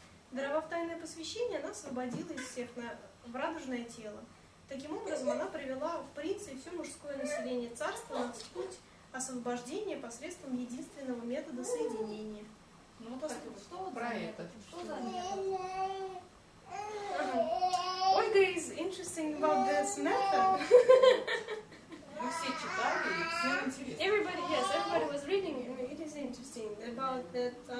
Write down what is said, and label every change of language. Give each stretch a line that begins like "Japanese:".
Russian: Даровав тайное посвящение, она освободила из всех в радужное тело. Таким образом, она привела в принца и все мужское население царства на путь освобождения посредством единственного метода соединения. Ну вот так, что про это? Что за метод?
English: Ольга is interesting about this method.
Russian: Вы все читали, и все интересно.
English: Everybody, yes, everybody was reading, and it is interesting about that.